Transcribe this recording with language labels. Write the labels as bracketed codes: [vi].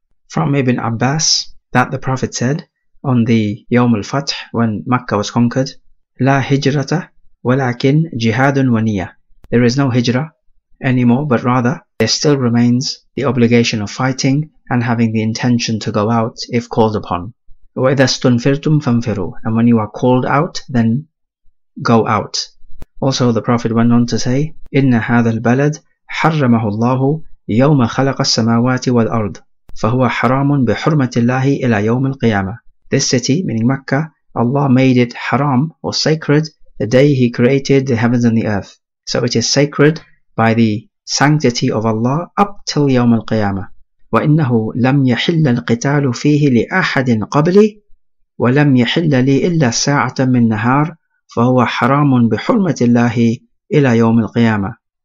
[en] From Ibn Abbas, that the Prophet said on the Yawm al-Fath, when Mecca was conquered, [ar] La hijrata walakin jihadun wa niyya. [en] There is no hijrah anymore, but rather there still remains the obligation of fighting and having the intention to go out if called upon. [ar] وَإِذَا اسْتُنْفِرْتُمْ فَانْفِرُوا. [en] And when you are called out, then go out. Also, the Prophet went on to say, [ar] إِنَّ هَذَا الْبَلَدِ حَرَّمَهُ اللَّهُ يَوْمَ خَلَقَ السَّمَاوَاتِ وَالْأَرْضِ فَهُوَ حَرَامٌ بِحُرْمَةِ اللَّهِ إِلَى يَوْمِ الْقِيَامَةِ. [en] This city, meaning Mecca, Allah made it haram or sacred the day He created the heavens and the earth. So it is sacred by the sanctity of Allah up till [ar] يَوْمَ الْقِيَامَةِ. وَإِنَّهُ لَمْ يَحِلَّ الْقِتَالُ فِيهِ لِأَحَدٍ قَبْلِي وَلَمْ يَحِلَّ لِي إِلَّا سَاعَةً مِنْ نَهَارٍ فَهُوَ حَرَامٌ بِحُرْمَةِ اللَّهِ إِلَى يَوْمِ الْقِيَامَةِ.